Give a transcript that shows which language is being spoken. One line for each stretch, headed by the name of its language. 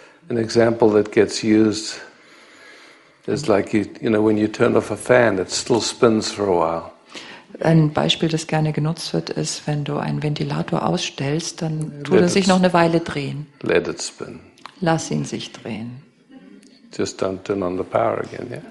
English: An example that gets used is like when you turn off a fan, it still spins for a while.
German: Ein Beispiel, das gerne genutzt wird, ist, wenn du einen Ventilator ausstellst, dann tut er sich noch eine Weile drehen.
English: Let it spin.
German: Lass ihn sich drehen.
English: Just don't turn on the power again, yeah?